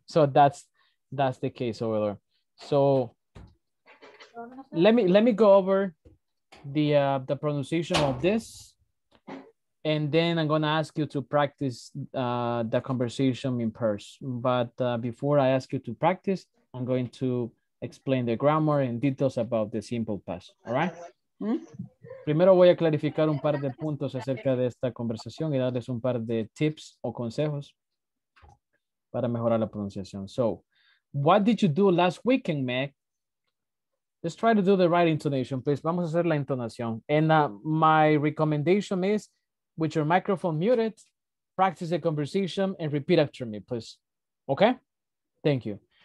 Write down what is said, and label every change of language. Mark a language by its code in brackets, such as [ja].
[en] So that's the case over there. So let me go over the pronunciation of this, and then I'm gonna ask you to practice the conversation in person. But before I ask you to practice, I'm going to explain the grammar and details about the simple past. All right. [es] Primero voy a clarificar un par de puntos acerca de esta conversación y darles un par de tips o consejos para mejorar la pronunciación. [en] So, what did you do last weekend, Meg? Let's try to do the right intonation, please. [es] Vamos a hacer la entonación. [en] And my recommendation is, with your microphone muted, practice the conversation and repeat after me, please. Okay? Thank you.